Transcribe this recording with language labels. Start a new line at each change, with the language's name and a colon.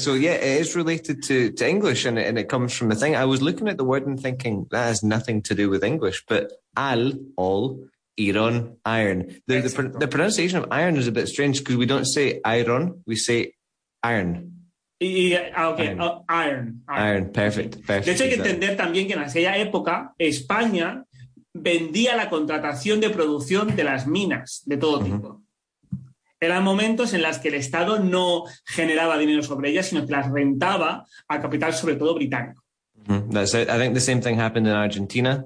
English: So, yeah, it is related to English, and it comes from a thing. I was looking at the word and thinking that has nothing to do with English, but iron. The pronunciation of iron is a bit strange because we don't say iron, we say iron. Iron. Perfect.
Spanish: De hecho, hay que entender también que en aquella época España vendía la contratación de producción de las minas de todo tipo. Uh-huh. Eran momentos en los que el Estado no generaba dinero sobre ellas, sino que las rentaba a capital, sobre todo británico. Uh-huh.
English: That's it. I think the same thing happened in Argentina.